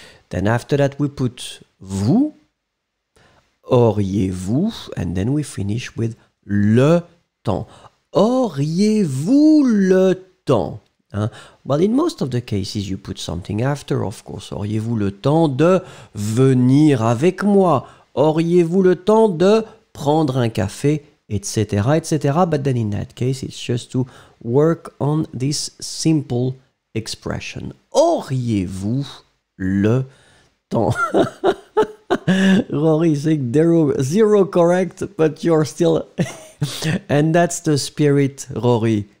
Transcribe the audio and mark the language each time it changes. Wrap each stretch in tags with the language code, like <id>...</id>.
<en>Then after that we put vous,</en> <fr>auriez-vous,</fr> <en>and then we finish with</en> <fr>le temps. Auriez-vous le temps?</fr> <en>Well, in most of the cases, you put something after, of course.</en> <fr>Auriez-vous le temps de venir avec moi? Auriez-vous le temps de prendre un café? Etc, etc.</fr> <en>But then in that case, it's just to work on this simple expression.</en> <fr>Auriez-vous le temps?</fr> <en>Rory is saying zero correct, but you're still... And that's the spirit, Rory.</en>